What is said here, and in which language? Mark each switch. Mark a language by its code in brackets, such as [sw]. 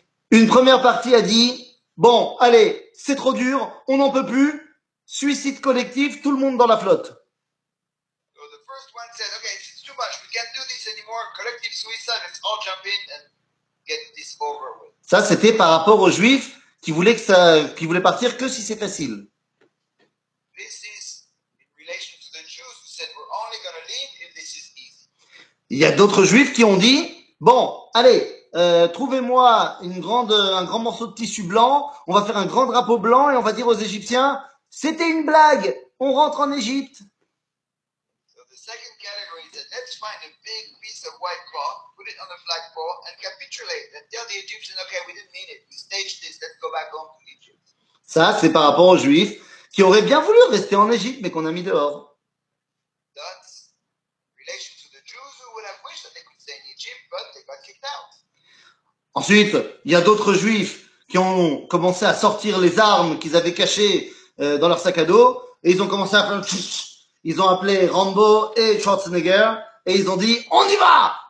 [fr] Une première partie a dit, bon, allez, c'est trop dur, on n'en peut plus, suicide collectif, tout le monde dans la flotte. [en] So the first one said, okay, it's too much, we can't do this anymore, collective suicide, let's all jump in and get this over with. [fr] Ça, c'était par rapport aux Juifs qui voulaient partir que si c'est facile. [en] This is in relation to the Jews who said, we're only going to leave if this is easy. [fr] Il y a d'autres Juifs qui ont dit, bon, allez, trouvez-moi un grand morceau de tissu blanc, on va faire un grand drapeau blanc et on va dire aux Égyptiens, c'était une blague, on rentre en Égypte. [en] So the second category is that let's find a big piece of white cloth, put it on the flagpole and capitulate and tell the Egyptians, okay, we didn't mean it, we staged this, let's go back home to Egypt. [fr] Ça, c'est par rapport aux Juifs qui auraient bien voulu rester en Égypte mais qu'on a mis dehors. [en] That's relation to the Jews who would have wished that they could stay in Egypt, but they got kicked out. [fr] Ensuite, il y a d'autres Juifs qui ont commencé à sortir les armes qu'ils avaient cachées dans leur sac à dos et ils ont commencé à faire ils ont appelé Rambo et Schwarzenegger et ils ont dit « On y va !